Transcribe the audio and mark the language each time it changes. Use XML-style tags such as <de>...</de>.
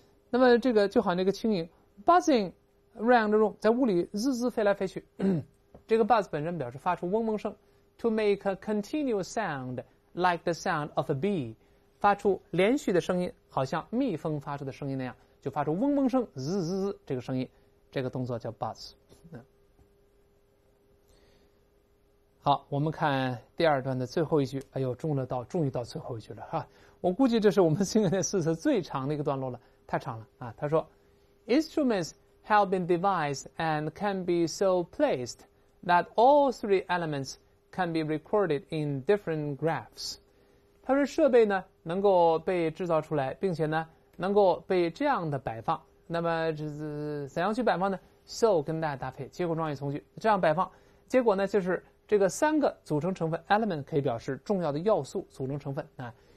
<zh>那么这个就好像那个青蝇 buzzing。</zh> <en>Round the room，</en> <zh>在屋里滋滋飞来飞去，这个 buzz 本身表示发出嗡嗡声 ，</zh> <en>to make a continuous sound like the sound of a bee，</en> <zh>发出连续的声音，好像蜜蜂发出的声音那样，就发出嗡嗡声，滋滋滋这个声音，这个动作叫 buzz。好，我们看第二段的最后一句，哎呦，终于到最后一句了哈，我估计这是我们今天的四次最长的一个段落了，太长了啊。他说 ，instruments。</zh> <en>Have been devised and can be so placed that all three elements can be recorded in different graphs.</en> <zh>它是设备呢能够被制造出来，并且呢能够被这样的摆放。那么这怎样去摆放呢 ？So 跟大家搭配结果状语从句，这样摆放，结果呢就是这个三个组成成分 element 可以表示重要的要素组成成分啊。</zh>